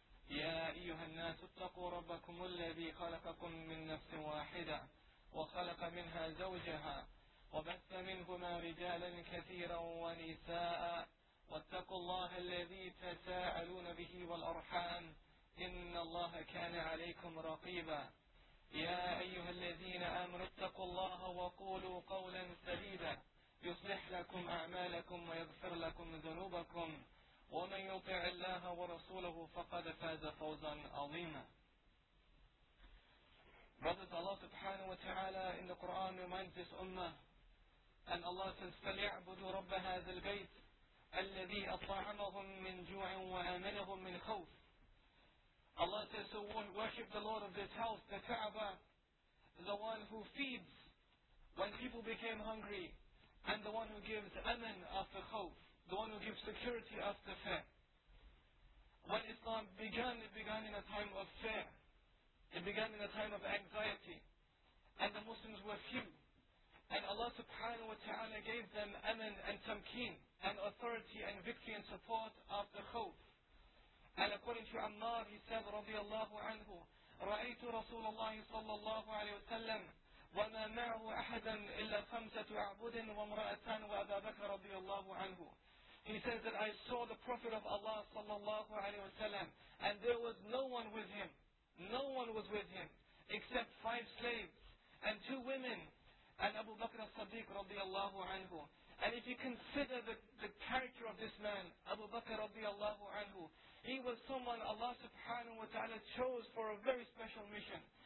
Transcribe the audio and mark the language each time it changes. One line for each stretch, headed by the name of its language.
Arabic: يا أيها الناس اتقوا ربكم الذي خلقكم من نفس واحدة وخلق منها زوجها وبث منهما رجالا كثيرا ونساء، واتقوا الله الذي تساءلون به والأرحام، إن الله كان عليكم رقيبا. يا أيها الذين آمنوا اتقوا الله وقولوا قولا سديدا يصلح لكم أعمالكم ويغفر لكم ذنوبكم، ومن يطع الله ورسوله فقد فاز فوزا عظيما.
English: Brothers, Allah subhanahu wa ta'ala in the Quran reminds this ummah, and Allah says,
Arabic: فَلْيَعْبُدُوا رَبَّ هَذَا الْبَيْتِ الَّذِي أَطْعَمَهُمْ مِنْ جُوعٍ وَآمَنَهُمْ مِنْ خَوْفٍ.
English: Allah says, so worship the Lord of this house, the Ka'aba, the one who feeds when people became hungry, and the one who gives aman after khawf, the one who gives security after fear. When Islam began, it began in a time of fear. It began in a time of anxiety. And the Muslims were few. And Allah subhanahu wa ta'ala gave them aman and tamkeen, and authority and victory and support after khawf. And according to Ammar, he said,
Arabic: رَضِيَ anhu, رَأَيْتُ رَسُولَ اللَّهِ صَلَّى اللَّهُ عَلَيْهُ وَسَلَّمُ وَمَا مَعْهُ أَحَدًا إِلَّا خَمْسَةُ أَعْبُدٍ وَمْرَأَتَانْ وَأَبَا بَكَرَ رَضِيَ اللَّهُ عَنْهُ.
English: He says that I saw the Prophet of Allah صَلَّى اللَّهُ عَلَيْهُ وَسَلَّمُ and there was no one with him. No one was with him except five slaves and two women and Abu Bakr al-Siddiq رَضِيَ اللَّهُ عَنْهُ. And if you consider the character of this man, Abu Bakr radiallahu anhu, he was someone Allah subhanahu wa ta'ala chose for a very special mission.